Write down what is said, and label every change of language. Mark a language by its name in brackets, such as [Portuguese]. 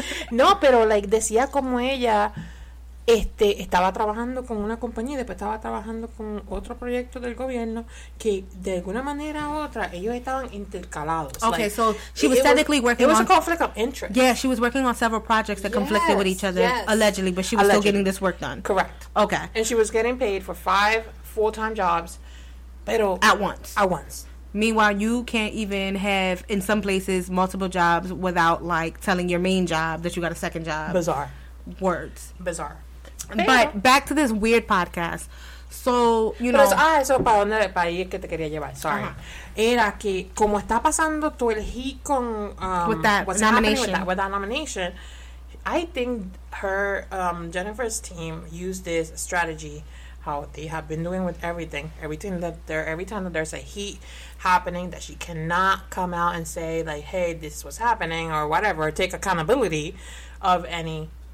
[Spanish] No, pero like decía como ella estaba trabajando con una compañía y después estaba trabajando con otro proyecto del gobierno que de alguna manera u otra ellos estaban intercalados. [English] Okay, like, so she was technically working. It was a conflict of interest. Yeah, she was working on several projects that conflicted with each other, allegedly, but she was still getting this work done. Correct. Okay. And she was getting paid for 5 full-time jobs, [Spanish] pero [English] at once. Meanwhile, you can't even have in some places multiple jobs without like telling your main job that you got a second job. Bizarre. Words. Bizarre. But back to this weird podcast. So, you know. [Spanish] Pero eso para donde era para ir que te quería llevar. [English] Sorry. [Spanish] Uh-huh. Era que como está pasando todo el heat con [English] with that what's nomination. With that nomination, I think her Jennifer's team used this strategy how they have been doing with everything that there every time that there's a heat happening that she cannot come out and say like, hey, this was happening or whatever, take accountability of any.